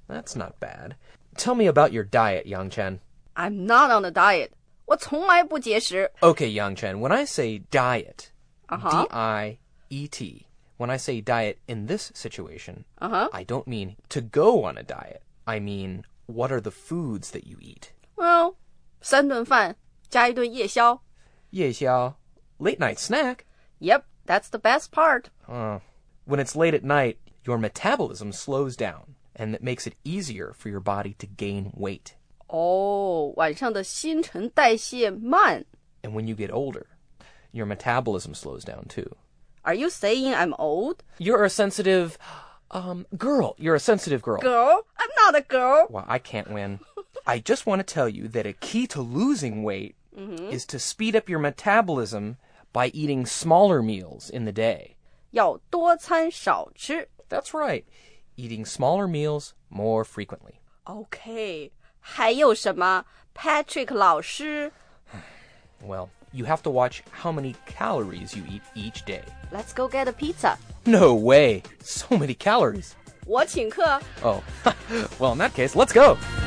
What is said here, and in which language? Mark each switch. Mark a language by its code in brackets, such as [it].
[en] That's not bad. Tell me about your diet, Yang Chen. I'm not on a diet. [zh] 我从来不节食。 [en] Okay, Yang Chen, when I say diet, D-I-E-T, when I say diet in this situation, I don't mean to go on a diet. I mean, what are the foods that you eat? [zh] Well, 三顿饭加一顿夜宵。 [en] 夜宵, late night snack. Yep, that's the best part. When it's late at night, your metabolism slows down, and it makes it easier for your body to gain weight. [zh] 晚上的新陈代谢慢。 [en] And when you get older, your metabolism slows down too. Are you saying I'm old? You're a sensitive, girl. You're a sensitive girl. Girl? I'm not a girl. Well, I can't win. I just want to tell you that a key to losing weight is to speed up your metabolism by eating smaller meals in the day. [zh] 要多餐少吃。 [en] That's right. Eating smaller meals more frequently. Okay. [zh] 还有什么 ,Patrick 老师 [en] Well, you have to watch how many calories you eat each day. Let's go get a pizza. No way, so many calories. [zh] 我请客。 [en] Oh, well in that case, let's go.